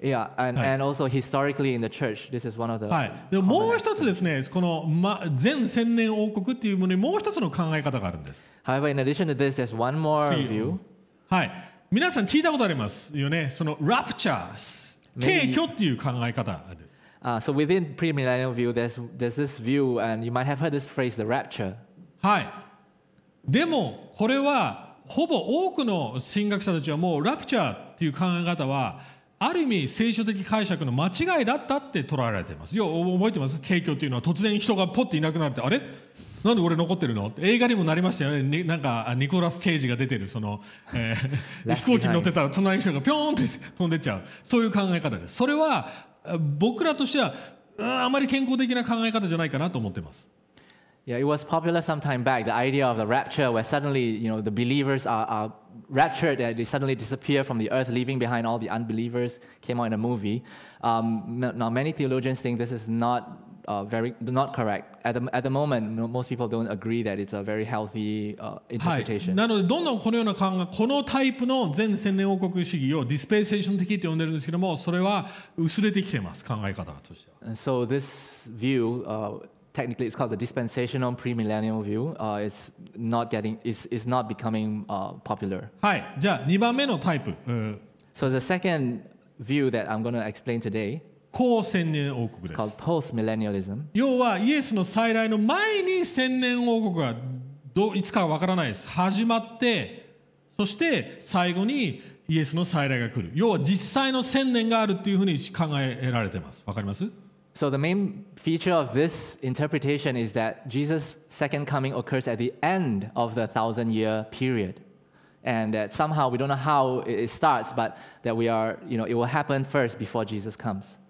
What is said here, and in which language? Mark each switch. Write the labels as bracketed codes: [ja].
[en] Yeah, and also historically in the church, this is one of the. [ja] はい。でもう一つですね、この全千年王国っていうものにもう一つの考え方があるんです。 [en] However, in addition to this, there's one more view. [ja] はい。皆さん聞いたことありますよね、その raptures、敬虚っていう考え方です。 [en] So within premillennial view, there's this view, and you might have heard this phrase, the rapture. [ja] はい。でもこれはほぼ多くの神学者たちはもうラプチャーっていう考え方はある意味聖書的解釈の間違いだったって捉えられています。覚えてます？提供っていうのは突然人がポッていなくなって、あれなんで俺残ってるの？映画にもなりましたよね。なんかニコラス・ケイジが出てるその、飛行機に乗ってたら隣の人がピョーンって飛んでっちゃう、そういう考え方です。それは僕らとしてはあまり健康的な考え方じゃないかなと思ってます。 [en] Yeah, it was popular some time back, the idea of the rapture where suddenly, you know, the believers are raptured and they suddenly disappear from the earth, leaving behind all the unbelievers, came out in a movie. Now, many theologians think this is not not correct. At the moment, most people don't agree that it's a very healthy interpretation. [ja] はい、なので、どんどんこのような考え、このタイプの全千年王国主義をディスペンセーション的って呼んでるんですけども、それは薄れてきてます、考え方としては。 [en] And so this view, technically, it's called the dispensational premillennial view. It's not becoming popular. [ja] はい、じゃあ2番目のタイプ。 [en] So the second view that I'm going to explain today, [ja] 後千年王国です。 [en] It's called post-millennialism. [ja] 要はイエスの再来の前に千年王国がどういつかわからないです。始まって、そして最後にイエスの再来が来る。要は実際の千年があるっていうふうに考えられてます。わかります？ [en] So the main feature of this interpretation is that Jesus' second coming occurs at the end of the 1,000-year period. And that somehow we don't know how it starts, but that we are, you know, it will happen first before Jesus comes.